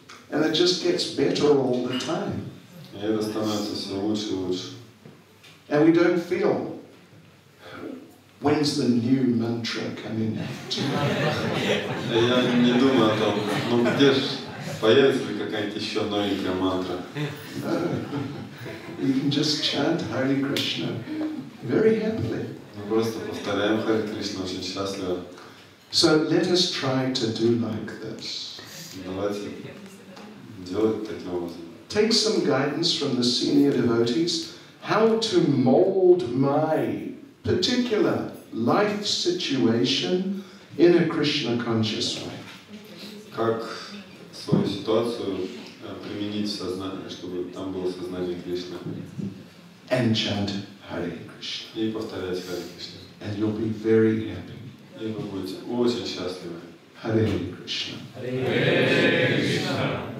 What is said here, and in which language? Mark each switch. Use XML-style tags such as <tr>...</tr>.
<en>And it just gets better all the time.</en> <ru>И это становится все лучше и лучше.</ru> <en>And we don't feel, when's the new mantra coming out?</en> <ru>Я не думаю о том, ну где ж появится ли какая-нибудь еще новенькая мантра.</ru> <en>We can just chant Hare Krishna. Very happily.</en> <ru>Мы просто повторяем Хари Кришну очень счастливо.</ru> <en>So let us try to do like this.</en> <ru>Давайте делать таким образом.</ru> <en>Take some guidance from the senior devotees how to mold my particular life situation in a Krishna conscious way.</en> <ru>Как свою ситуацию применить в сознании, чтобы там было сознание Кришны.</ru> <en>And chant Hare Krishna.</en> <ru>И повторять Hare Krishna.</ru> <en>And you'll be very happy.</en> <ru>И вы будете очень счастливы.</ru> <en>Hare Krishna. Hare Krishna.</en>